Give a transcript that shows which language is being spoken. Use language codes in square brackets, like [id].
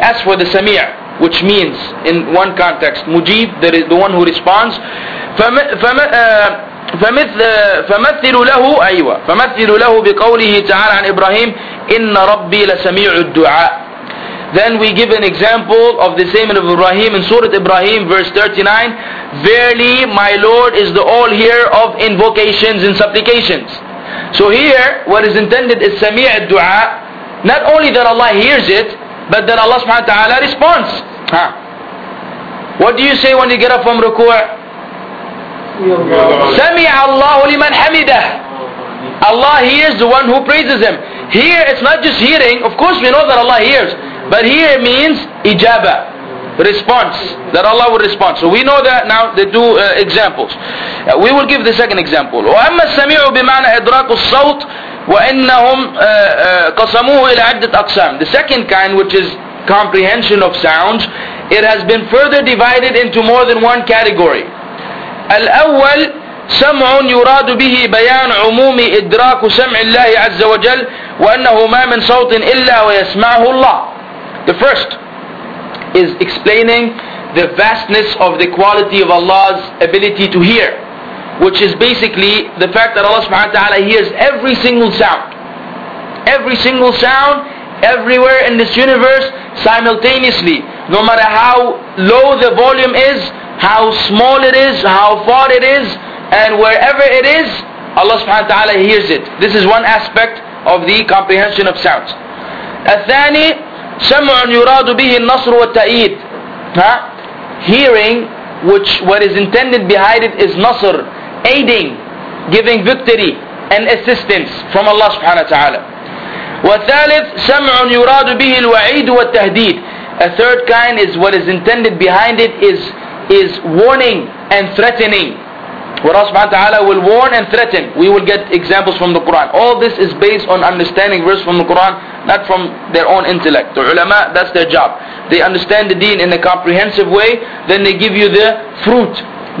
[en] As for the سميع, which means in one context, مجيب, that is the one who responds. [ar] فمثل له أيوة. فمثل له بقوله تعالى عن إبراهيم إن ربي لسميع الدعاء. [en] Then we give an example of the same of Ibrahim in Surah Ibrahim, verse 39. Verily, my Lord is the all-hearer of invocations and supplications. So here, what is intended is sami' al-du'a. Not only that Allah hears it, but that Allah subhanahu wa ta'ala responds. Huh. What do you say when you get up from ruku'? [ar] Sami'a Allahu liman hamidah. [en] Allah hears the one who praises Him. Here, it's not just hearing. Of course, we know that Allah hears. But here it means ijaba, response, that Allah will respond. So we know that now, the two examples. We will give the second example. [ar] وَأَمَّا السَّمِيعُ بِمَعْنَى إِدْرَاكُ الصَّوْتِ وَإِنَّهُمْ قَسَمُوهُ إِلَى عَدَّةِ أَقْسَامِ. [en] The second kind, which is comprehension of sounds, it has been further divided into more than one category. [ar] الأول سمع يراد به بيان عموم إدراك سمع الله عز وجل وأنه ما من صوت إلا ويسمعه الله. [en] The first is explaining the vastness of the quality of Allah's ability to hear, which is basically the fact that Allah subhanahu wa ta'ala hears every single sound. Every single sound, everywhere in this universe, simultaneously. No matter how low the volume is, how small it is, how far it is, and wherever it is, Allah subhanahu wa ta'ala hears it. This is one aspect of the comprehension of sounds. [ar] الثاني سمع يراد به النصر والتأييد. [en] Hearing, which what is intended behind it is nasr, aiding, giving victory and assistance from Allah subhanahu wa ta'ala. [ar] وثالث سمع يراد به الوعيد والتهديد. [en] A third kind is what is intended behind it is warning and threatening. What Allah subhanahu wa ta'ala will warn and threaten. We will get examples from the Quran. All this is based on understanding verse from the Quran, not from their own intellect. The ulama, that's their job. They understand the deen in a comprehensive way, then they give you the fruit.